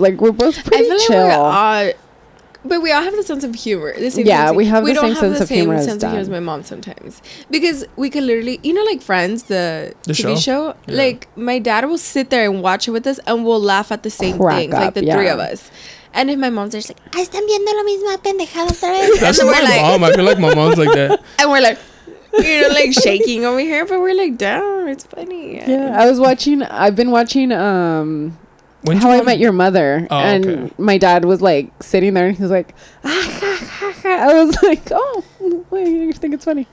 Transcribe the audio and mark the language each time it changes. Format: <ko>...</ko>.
<en>Like, we're both pretty chill. But we all have the sense of humor. We don't have the same sense of humor as my mom sometimes. Because we could literally, you know, like Friends, the TV show? Yeah. Like, my dad will sit there and watch it with us, and we'll laugh at the same things, like the three of us. And if my mom's there, she's like,</en> <es>¿están viendo lo mismo, pendejada otra vez?</es> <en>That's my mom. I feel like my mom's like that. And we're like, you know, like shaking over here, but we're like, damn, it's funny. Yeah, I've been watching. When'd How I Met Your Mother. Oh, and okay. My dad was like sitting there and he was like, ah, ha, ha, ha. I was like, oh, wait, you think it's funny?</en>